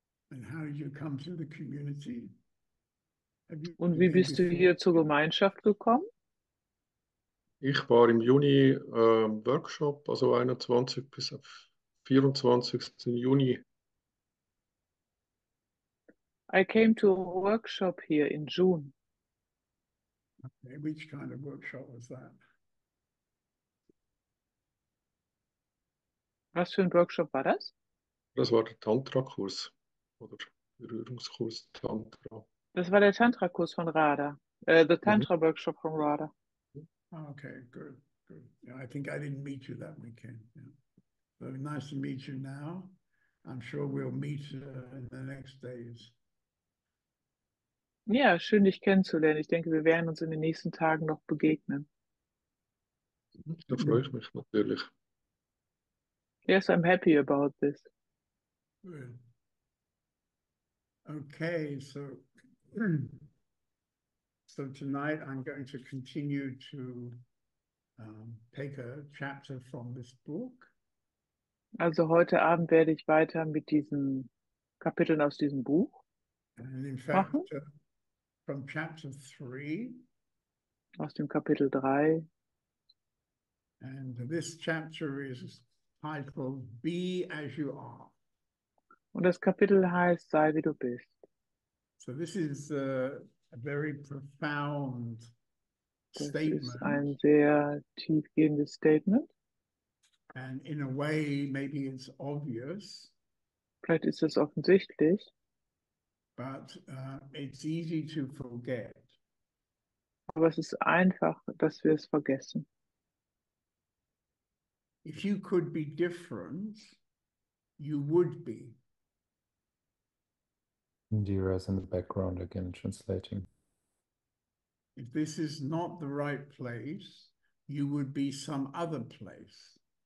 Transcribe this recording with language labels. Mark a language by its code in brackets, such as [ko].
[en] And how did you come to the community? [de] Und wie bist du hier zur Gemeinschaft gekommen? Ich war im Juni Workshop, also 21 bis 24. Juni. [en] I came to a workshop here in June. Okay, which kind of workshop was that? [de] Was für ein Workshop war das? Das war der Tantra-Kurs oder Berührungskurs Tantra. Das war der Tantra-Kurs von Radha, the Tantra-Workshop von Radha. [en] Okay, good, good. Yeah, I think I didn't meet you that weekend. Yeah. So nice to meet you now. I'm sure we'll meet in the next days. [de] Ja, schön, dich kennenzulernen. Ich denke, wir werden uns in den nächsten Tagen noch begegnen. Da freue ich mich natürlich. [en] Yes, I'm happy about this. Okay, so tonight I'm going to continue to take a chapter from this book. [de] Also heute Abend werde ich weiter mit diesen Kapiteln aus diesem Buch [en] and in fact, [de] machen. [en] From chapter 3. [de] Aus dem Kapitel 3. [en] And this chapter is titled Be As You Are. [de] Und das Kapitel heißt Sei wie du bist. [en] So this is a very profound [de] das [en] statement. [de] Ist ein sehr tiefgehendes Statement. [en] And in a way, maybe it's obvious. [de] Vielleicht ist es offensichtlich. [en] But it's easy to forget. [de] Aber es ist einfach, dass wir es vergessen. [en] If you could be different, you would be. Indira is in the background again, translating. If this is not the right place, you would be some other place.